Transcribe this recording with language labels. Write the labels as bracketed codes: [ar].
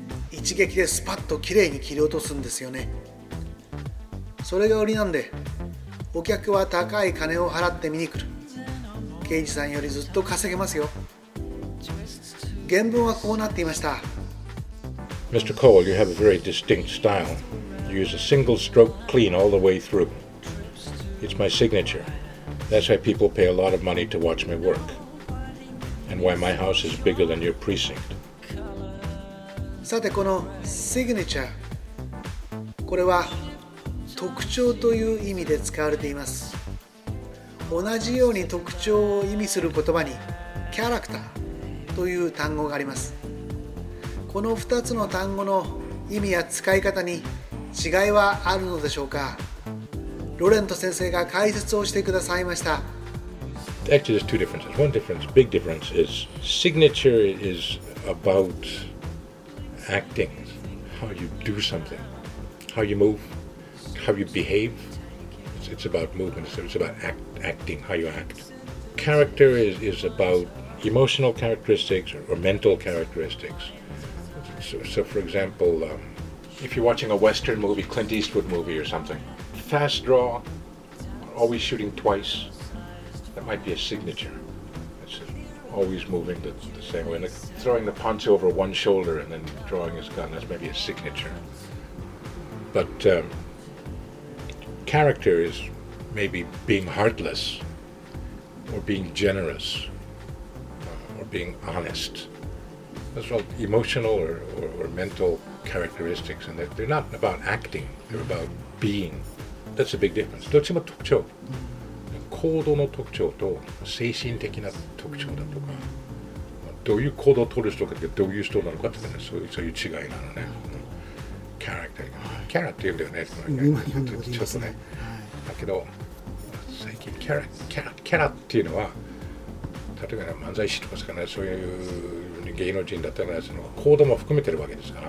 [ja] 一撃でスパッときれいに切り落とすんですよね。それが売りなんで、お客は高い金を払って見に来る。刑事さんよりずっと稼げますよ。原文はこうなっていました。 [en] Mr. Cole, you have a very distinct style. You use a single stroke clean all the way through. It's my signature. That's why people pay a lot of money to watch me work. And why my house is bigger than your precinct. [ja] さて、この signature、 これは特徴という意味で使われています。同じように特徴を意味する言葉にキャラクターという単語があります。この2つの単語の意味や使い方に違いはあるのでしょうか。ロレント先生が解説をしてくださいました。 [en] Actually there's two differences. One difference, big difference is signature is about acting. How you do something. How you move. How you behave. It's about movement. It's about acting. Acting, how you act. Character is about emotional characteristics or mental characteristics. So for example, if you're watching a Western movie, Clint Eastwood movie or something, fast draw, always shooting twice, that might be a signature. It's always moving the same way. And throwing the poncho over one shoulder and then drawing his gun, that's maybe a signature. But character is... maybe being heartless or being generous or being honest. That's all emotional or mental characteristics, and they're not about acting, they're about being. That's a big difference. [ja] どっちも特徴。行動の特徴と精神的な特徴だとか、どういう行動を取る人かとか、どういう人なのかとかね、そういう違いなのね。 [en] Character. [ja] キャラっていうんだよね。今日本語で言いますね。だけど、最近キャラっていうのは、例えば、ね、漫才師とかね、そういう芸能人だったら、その行動も含めてるわけですから。